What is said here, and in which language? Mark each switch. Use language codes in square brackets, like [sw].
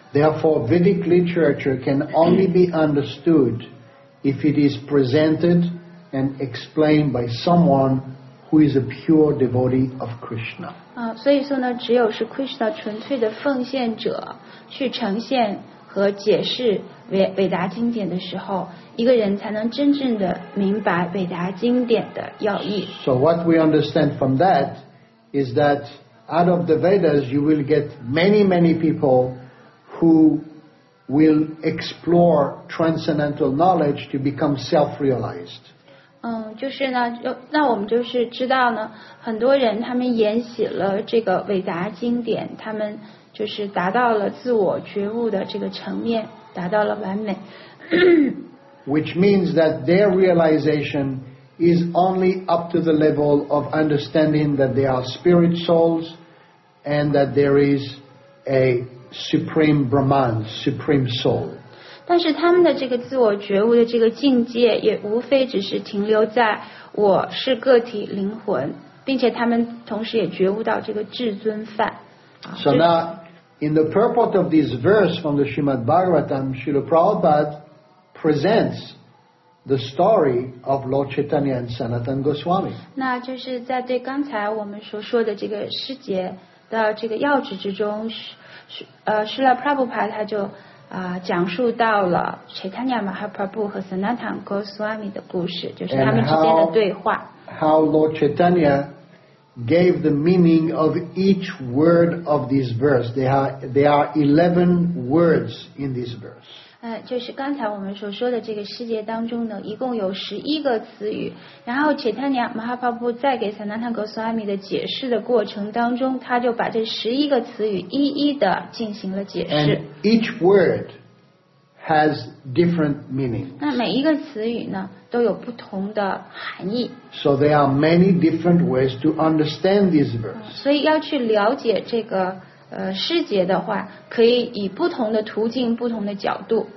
[en] Therefore, Vedic literature can only be understood if it is presented and explained by someone who is a pure devotee of Krishna. [zh] 所以说呢，只有是 Krishna 纯粹的奉献者去呈现和解释伟达经典的时候，一个人才能真正的明白伟达经典的要义。 [en] So what we understand from that is that out of the Vedas you will get many, many people who will explore transcendental knowledge to become self-realized. [zh] 就是呢，那我们就是知道呢，很多人他们研习了这个伟达经典，他们就是达到了自我觉悟的这个层面，达到了完美。 [en] Which means that their realization is only up to the level of understanding that they are spirit souls and that there is a supreme Brahman, supreme soul. [zh] 但是他们的这个自我觉悟的这个境界也无非只是停留在我是个体灵魂，并且他们同时也觉悟到这个至尊梵。 [en] So now, in the purport of this verse from the Srimad Bhagavatam, Srila Prabhupada presents the story of Lord Chaitanya and Sanatan Goswami. [zh] 那就是在对刚才我们所说的这个师节的这个要旨之中，Srila Prabhupada 他就讲述到了 Chaitanya Mahaprabhu 和 Sanatan Goswami 的故事，就是他们之间的对话。 [en] How Lord Chaitanya gave the meaning of each word of this verse. There are 11 words in this verse. [zh] 就是刚才我们所说的这个世界当中呢，一共有十一个词语。然后 Chaitanya Mahaprabhu 在给 Sanatan Goswami 的解释的过程当中，他就把这十一个词语一一的进行了解释。 [en] And each word has different meanings. [zh] 那每一个词语呢，都有不同的含义。 [en] So there are many different ways to understand this verse. [zh] 所以要去了解这个师节的话，可以以不同的途径、不同的角度。